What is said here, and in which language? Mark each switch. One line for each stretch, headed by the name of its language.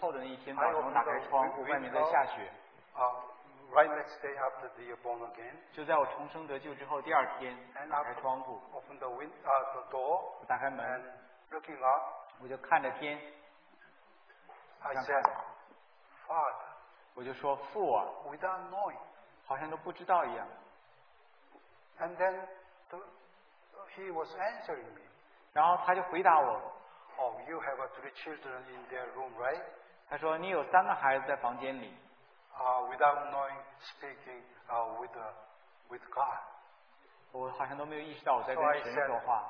Chinese: 但是就在我得救之后的那一天早上，我打开窗户，外面在下雨。
English: Right next day after you are born again,
Chinese: 就在我重生得救之后第二天,
English: and
Chinese: 打开窗户,
English: open the window, the door,
Chinese: 我打开门,
English: and looking up,
Chinese: 我就看着天,
English: I said, Father,
Chinese: 我就说父啊,
English: without knowing,
Chinese: 好像都不知道一样,
English: and then he was answering me,
Chinese: 然后他就回答我,
English: oh, you have three children in their room, right?
Chinese: 他说, 你有三个孩子在房间里,
English: Without knowing, speaking with God.
Chinese: 我好像都没有意识到我在跟神说话。